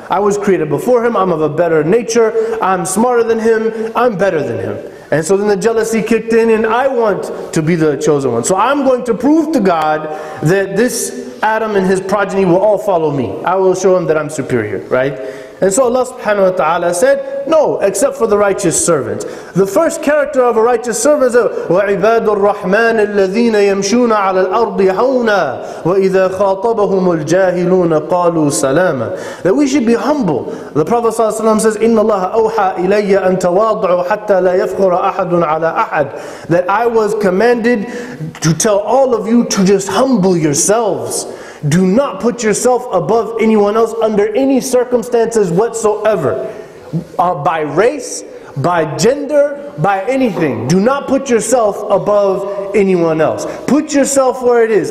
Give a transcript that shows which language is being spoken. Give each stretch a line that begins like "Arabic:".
English: I was created before him, I'm of a better nature, I'm smarter than him, I'm better than him. And so then the jealousy kicked in and I want to be the chosen one. So I'm going to prove to God that this Adam and his progeny will all follow me. I will show him that I'm superior, right? And so Allah subhanahu wa ta'ala said, no, except for the righteous servant. The first character of a righteous servant is,
Arabic: وَعِبَادُ الرَّحْمَنِ الَّذِينَ يَمْشُونَ عَلَى الْأَرْضِ هَوْنًا وَإِذَا خَاطَبَهُمُ الْجَاهِلُونَ قَالُوا سَلَامًا.
English: That we should be humble. The Prophet sallallahu alayhi wa sallam says,
Arabic: إِنَّ اللَّهَ أَوْحَى إِلَيَّ أَن تَوَاضُعُ حَتَّى لَا يَفْخُرَ أَحَدٌ عَلَى أَحَدٍ.
English: That I was commanded to tell all of you to just humble yourselves. Do not put yourself above anyone else under any circumstances whatsoever. By race, by gender, by anything. Do not put yourself above anyone else. Put yourself where it is.